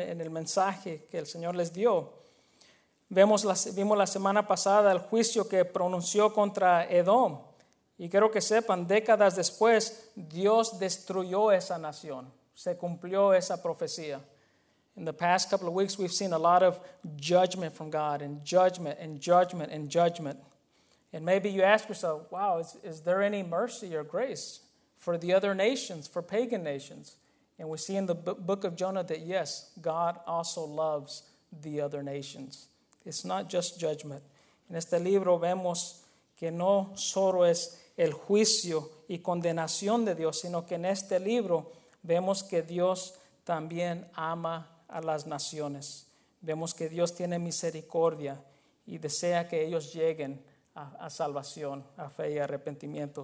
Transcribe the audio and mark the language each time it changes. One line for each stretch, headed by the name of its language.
Spanish: En el mensaje que el Señor les dio. Vimos la semana pasada el juicio que pronunció contra Edom. Y quiero que sepan, décadas después, Dios destruyó esa nación. Se cumplió esa profecía.
English: In the past couple of weeks, we've seen a lot of judgment from God and judgment and judgment and judgment. And maybe you ask yourself, wow, is there any mercy or grace for the other nations, for pagan nations? And we see in the book of Jonah that, yes, God also loves the other nations. It's not just judgment.
Spanish: En este libro vemos que no solo es el juicio y condenación de Dios, sino que en este libro vemos que Dios también ama a las naciones. Vemos que Dios tiene misericordia y desea que ellos lleguen a salvación, a fe y arrepentimiento.